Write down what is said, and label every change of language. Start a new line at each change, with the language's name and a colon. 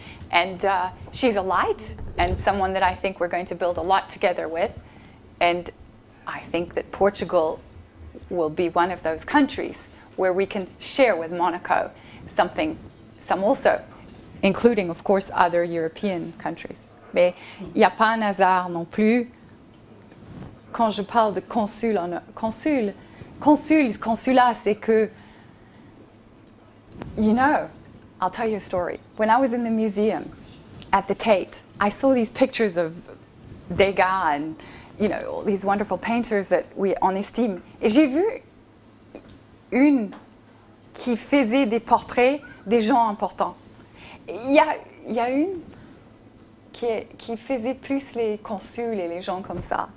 English: And she's a light, and someone that I think we're going to build a lot together with. And I think that Portugal will be one of those countries where we can share with Monaco something, some also, including, of course, other European countries.
French: Mais il n'y a pas un hasard non plus. Quand je parle de consul, consulat, c'est que...
English: You know, I'll tell you a story. When I was in the museum at the Tate, I saw these pictures of Degas and, you know, all these wonderful painters that we
French: on estime. Et j'ai vu une qui faisait des portraits des gens importants. Il y a une qui faisait plus les consuls et les gens comme ça.